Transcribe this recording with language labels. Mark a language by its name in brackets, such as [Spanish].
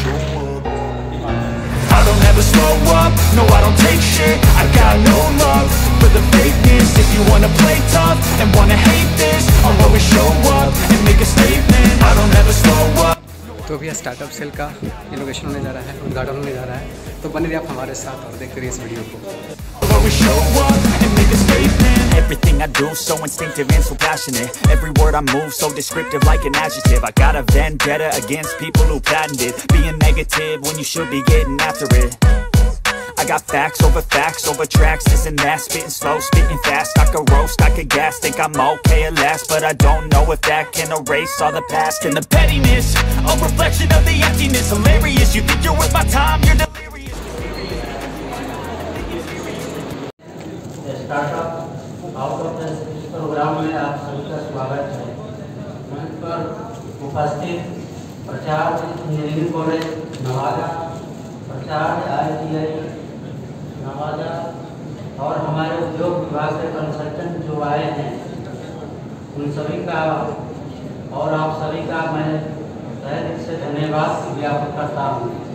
[English] slow up, no I don't take shit, I got no love for the fakeness. If you wanna play tough and wanna hate this, I'll always show up and make a statement. I don't ever slow up. [Hindi] तो अभी startup cell का innovation होने जा रहा है, उद्घाटन होने जा रहा है, तो बने रहिए आप हमारे साथ और देखते रहिए इस वीडियो को। [English] Everything I do so instinctive and so passionate. Every word I move so descriptive like an adjective. I got a vendetta against people who patented being negative when you should be getting after it. I got facts over tracks, this and that. Spitting slow, spitting fast. I could roast, I could gas. Think I'm okay at last, but I don't know if that can erase all the past. And the pettiness, a reflection of the emptiness. Hilarious, you think you're worth my time, you're delirious. [Hindi] Out of the programme में आप सभी का स्वागत है। मंच पर उपस्थित प्रचार्य engineering college Nawada, प्रचार्य ITI Nawada और हमारे उद्योग विभाग के कंसल्टेंट जो आए हैं, उन सभी का और आप सभी का मैं तहे दिल से धन्यवाद ज्ञापन करता हूँ।